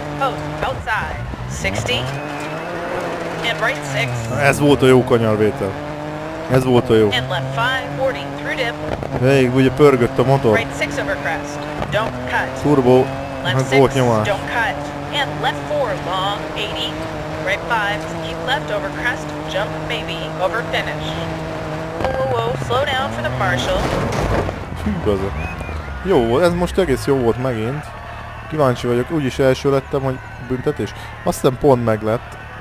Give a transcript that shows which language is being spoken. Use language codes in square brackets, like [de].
[en] Right, outside, 60, and right [hu] 6. Ez volt a jó kanyarvétel. Ez volt a jó. [en] And left 5, 40, through dip. [hu] Végig ugye pörgött a motor. [en] Right 6 over crest, don't cut. Turbo. Left 6, don't cut. And left 4, long, 80. Right 5, keep left over crest, jump maybe, over finish. Whoa, whoa, whoa, slow down for the marshal. [hu] Hűbaza. Jó, ez most egész jó volt megint. Kíváncsi vagyok, úgyis első lettem, hogy büntetés. Azt hiszem pont meg lett.